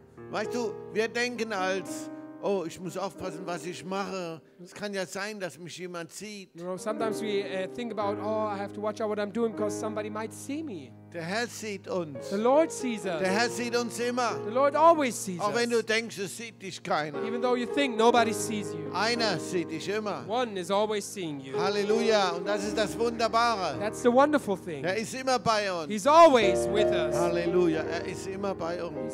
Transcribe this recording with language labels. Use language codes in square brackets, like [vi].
[de] Weißt du, wir denken als, oh, ich muss aufpassen, was ich mache. Es kann ja sein, dass mich jemand sieht. [en] You know, sometimes we think about, oh, I have to watch out what I'm doing because somebody might see me. [de] Der Herr sieht uns. [en] The Lord sees us. [de] Der Herr sieht uns immer. [en] The Lord always sees us. [de] Auch wenn du denkst, es sieht dich keiner. [en] Even though you think nobody sees you. [de] Einer sieht dich immer. [en] One is always seeing you. [de] Halleluja. Und das ist das Wunderbare. [en] That's the wonderful thing. [de] Er ist immer bei uns. [en] He's always with us. [de] Halleluja. Er ist immer bei uns.